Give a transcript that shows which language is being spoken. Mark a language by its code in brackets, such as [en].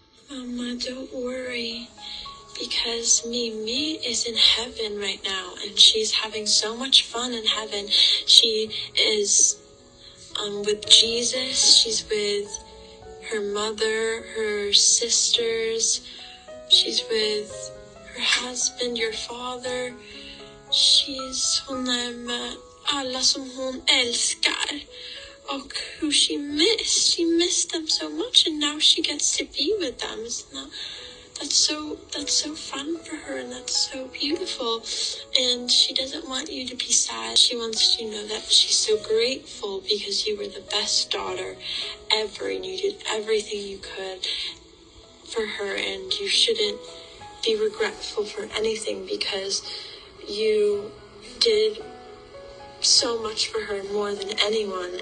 [en] Mama, don't worry, because Mimi is in heaven right now, and she's having so much fun in heaven. She is with Jesus, she's with her mother, her sisters, she's with her husband, your father. [sv] She's hon är med alla som hon älskar. [en] Och who she missed them so much, and now she gets to be with them. That's so fun for her, and that's so beautiful. And she doesn't want you to be sad. She wants you to know that she's so grateful because you were the best daughter ever, and you did everything you could for her, and you shouldn't be regretful for anything because you did so much for her, more than anyone.